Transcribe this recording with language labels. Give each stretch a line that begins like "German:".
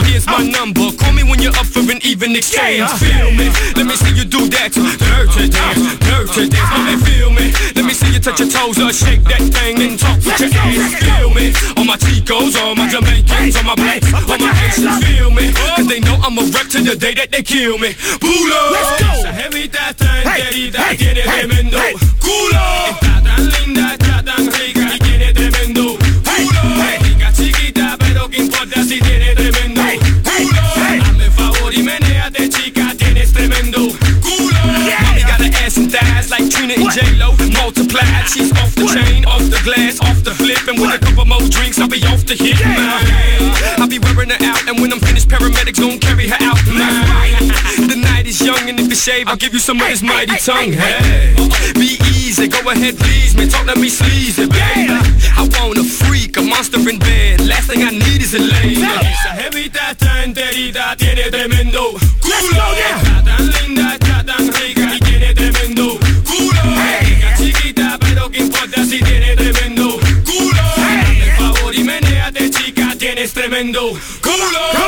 English: Here's my number, call me when you're up for an even exchange. Feel me, let me see you do that dirty dance, dirty dance. Mommy, feel me, let me see you touch your toes or shake that thing and talk with your ass. Feel me, on my Chicos, on my Jamaicans, on my Blacks, on my Haitians. Feel me, cause they know I'm a wreck to the day that they kill me. Pulo, let's go.
Spanish: Culo, está tan linda, está tan rica y tiene tremendo culo. Rica chiquita, pero qué importa si tiene tremendo culo. Dame favor y menéate chica, tienes tremendo culo.
English: Mommy got an ass and thighs like Trina and J-Lo. Multiplied, she's off the chain, off the glass, off the flip. And with a couple more drinks, I'll be off the hit. I'll be wearing her out, and when I'm finished, paramedics gon' carry her out. The night is young, and if you shave, I'll give you some of this mighty tongue. Be easy, go ahead, please, man, talk to me sleazy, baby. I want a freak, a monster in bed. Last thing I need is a lady.
Spanish: Esa jevita está enterita, tiene tremendo culo. Está tan linda, está tan rica, y tiene tremendo culo. Rica chiquita, pero qué importa si tiene tremendo culo. Dame el favor y menéate, chica, tienes tremendo culo.